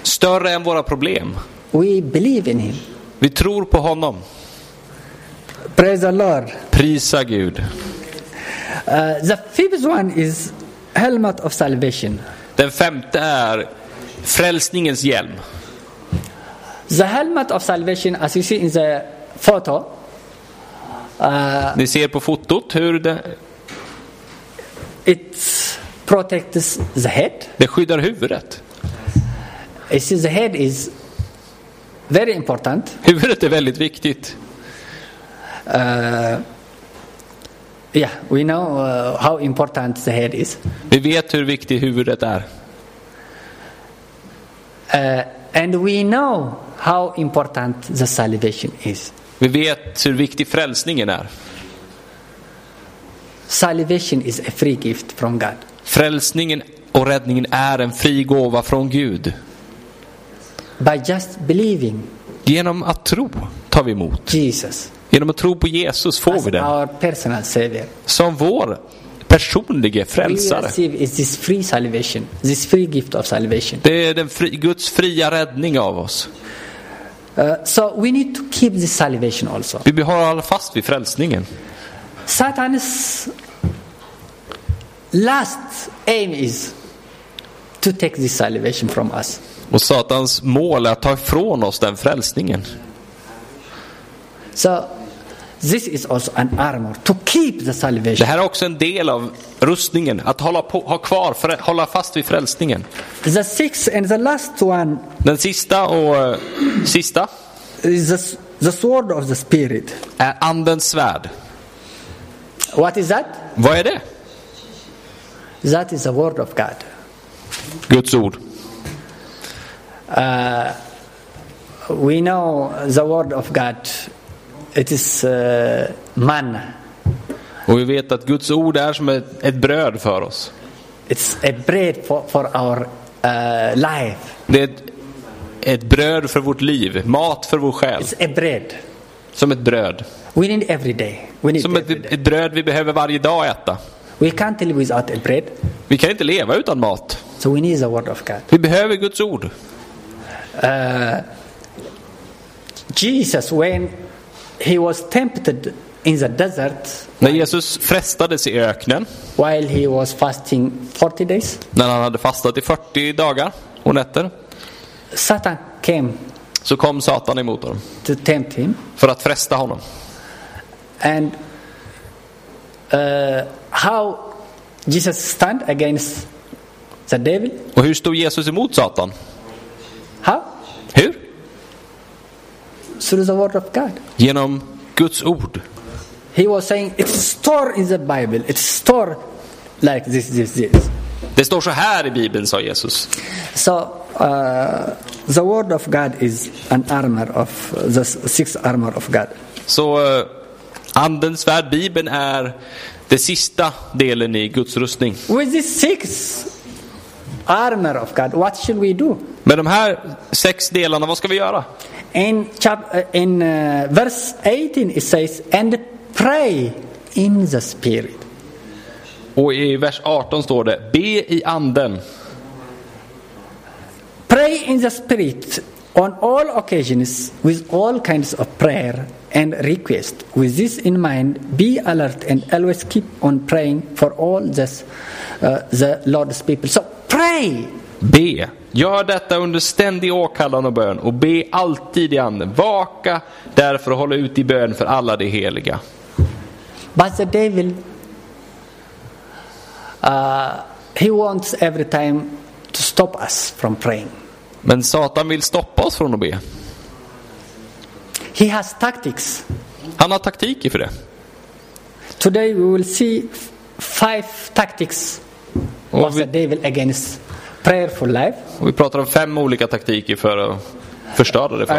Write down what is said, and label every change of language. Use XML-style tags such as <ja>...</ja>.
<sv>Större än våra problem.</sv> <en>We believe in him.</en> <sv>Vi tror på honom.</sv> <en>Praise the Lord.</en> <sv>Prisa Gud.</sv> <en>The fifth one is helmet of salvation.</en> <sv>Den femte är frälsningens hjälm.</sv> <en>The helmet of salvation, as you see in the photo.</en> <sv>Ni ser på fotot hur det.</sv> <en>It protects the head.</en> <sv>Det skyddar huvudet.</sv> <en>You see, the head is very important.</en> <sv>Huvudet är väldigt viktigt.</sv> <en>We know how important the head is.</en> <sv>Vi vet hur viktigt huvudet är.</sv> <en>And we know how important the salvation is.</en> <sv>Vi vet hur viktig frälsningen är.</sv> <en>Salvation is a free gift from God.</en> <sv>Frälsningen och räddningen är en fri gåva från Gud.</sv> <en>By just believing.</en> <sv>Genom att tro tar vi emot.</sv> <en>Jesus.</en> <sv>Genom att tro på Jesus får</sv> <en>as</en> <sv>vi det.</sv> <en>Our personal savior.</en> <sv>Som vår personliga frälsare.</sv> <en>We receive is this free salvation, this free gift of salvation.</en> <sv>Det är den Guds fria räddning av oss.</sv> <en>So we need to keep the salvation also.</en> <sv>Vi behåller alla fast vid frälsningen.</sv> <en>Satan's last aim is to take this salvation from us.</en> <sv>Och Satans mål är att ta ifrån oss den frälsningen.</sv> <en>So this is also an armor to keep the salvation.</en> <sv>Det här är också en del av rustningen att hålla på, ha kvar, hålla fast vid frälsningen.</sv> <en>The sixth and the last one.</en> <sv>Den sista och sista.</sv> <en>Is the sword of the spirit.</en> <sv>Är andens svärd.</sv> <en>What is that?</en> <sv>Vad är det?</sv> <en>That is the word of God.</en> <sv>Guds ord.</sv> <en>We know the word of God. It is man.</en> <sv>Och vi vet att Guds ord är som ett bröd för oss.</sv> <en>It's a bread for our life.</en> <sv>Det är ett bröd för vårt liv, mat för vår själ.</sv> <en>It's a bread.</en> <sv>Som ett bröd.</sv> <en>We need every day. We need</en> <sv>som ett bröd vi behöver varje dag äta.</sv> <en>We can't live without a bread.</en> <sv>Vi kan inte leva utan mat.</sv> <en>So we need the word of God.</en> <sv>Vi behöver Guds ord.</sv> <en>Jesus, when he was tempted in the desert,</en> <sv>när Jesus frestades i öknen,</sv> <en>while he was fasting 40 days,</en> <sv>när han hade fastat i 40 dagar och nätter,</sv> <en>Satan came,</en> <sv>så kom Satan emot honom,</sv> <en>to tempt him,</en> <sv>för att fresta honom.</sv> <en>And how Jesus stand against the devil?</en> <sv>Och hur stod Jesus emot Satan?</sv> <en>How?</en> <sv>Hur?</sv> <en>Through the word of God.</en> <sv>Genom Guds ord.</sv> <en>He was saying it's store in the Bible. It's store like this, this, this.</en> <sv>Det står så här i Bibeln, sa Jesus.</sv> <en>So the word of God is an armor of the sixth armor of God.</en> <sv>Så andens svärd, Bibeln, är det sista delen i Guds rustning.</sv> <en>With this sixth armor of God, what should we do?</en> <sv>Med de här sex delarna, vad ska vi göra?</sv> <en>In verse 18 it says and pray in the spirit.</en> <sv>Och i vers 18 står det be i anden.</sv> <en>Pray in the spirit On all occasions, with all kinds of prayer and request, with this in mind, be alert and always keep on praying for all this, the Lord's people. So pray!</en> <sv>Be! Gör detta under ständig åkallan och bön och be alltid i anden. Vaka därför och hålla ut i bön för alla de heliga.</sv> <en>But the devil, he wants every time to stop us from praying.</en> <sv>Men Satan vill stoppa oss från att be.</sv> <en>He has tactics.</en> <sv>Han har taktiker för det.</sv> <en>Today we will see five tactics of the devil against prayerful life.</en> <sv>Och vi pratar om fem olika taktiker för att förstöra det för oss.</sv>